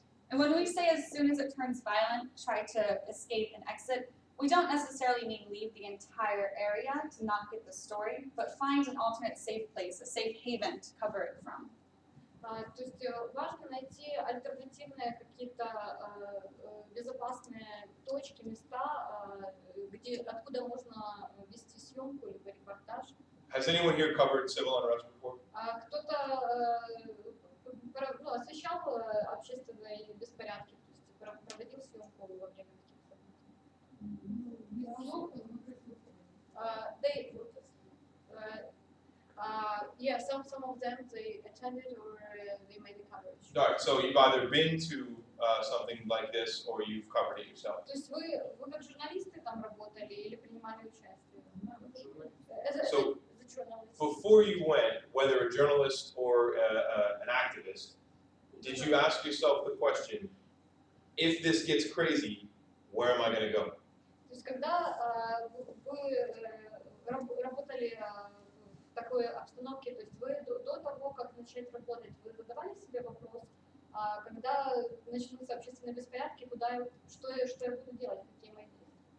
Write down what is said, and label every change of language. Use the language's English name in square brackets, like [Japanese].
[English] And when we say as soon as it turns violent, try to escape and exit, we don't necessarily mean leave the entire area to not get the story, but find an alternate safe place, a safe haven to cover it from. [Russian] То есть важно найти альтернативные какие-то безопасные точки, места, где откуда можно вести съемку либо репортаж. [English] Has anyone here covered civil unrest before? [Russian] Кто-то освещал общественные беспорядки, то есть проводил съемку во время каких-то. [English] Ну, yeah, some of them, they attended or they made the coverage. All right, so you've either been to something like this or you've covered it yourself. [Russian] То есть вы как журналисты там работали или принимали участие? [English] So, before you went, whether a journalist or an activist, did you ask yourself the question, if this gets crazy, where am I going to go? [Russian] То есть когда вы работали такой обстановке, то есть вы до того, как начать работать, вы задавали себе вопрос, когда начнутся общественные беспорядки, куда что я буду делать, какие мои действия?